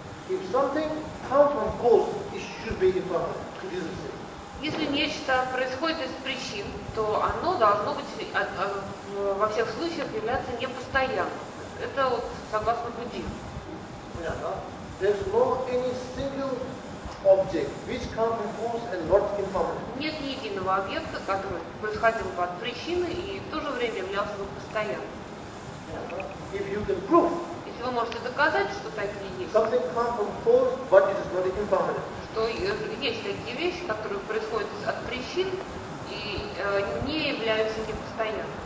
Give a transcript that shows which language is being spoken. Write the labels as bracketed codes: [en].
[en] If something comes from cause, it should be impermanent. [ru] Если нечто происходит из причин, то оно должно быть во всех случаях являться непостоянным. Это вот согласно буддизму. [en] There's no any single object which comes from cause and not impermanent. [ru] Нет ни единого объекта, который происходил бы от причины и в то же время являлся бы постоянным. [en] If you can prove, [ru] если вы можете доказать, что такие есть, [en] something comes from cause, but it is not impermanent. [ru] Что есть такие вещи, которые происходят от причин и не являются непостоянными.